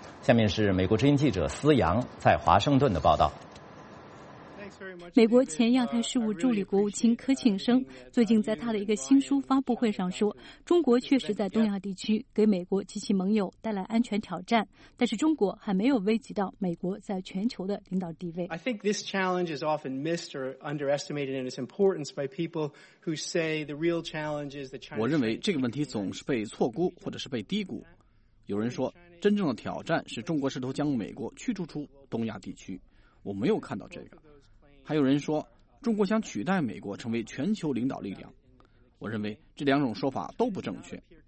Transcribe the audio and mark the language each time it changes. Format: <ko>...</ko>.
<zh>下面是美国之音记者思阳在华盛顿的报道。美国前亚太事务助理国务卿柯庆生最近在他的一个新书发布会上说，中国确实在东亚地区给美国及其盟友带来安全挑战，但是中国还没有危及到美国在全球的领导地位。</zh> <en>I think this challenge is often missed or underestimated in its importance by people who say the real challenge is the China.</en> <zh>我认为这个问题总是被错估或者是被低估。有人说真正的挑战是中国试图将美国驱逐出东亚地区，我没有看到这个。还有人说中国想取代美国成为全球领导力量，我认为这两种说法都不正确。</zh>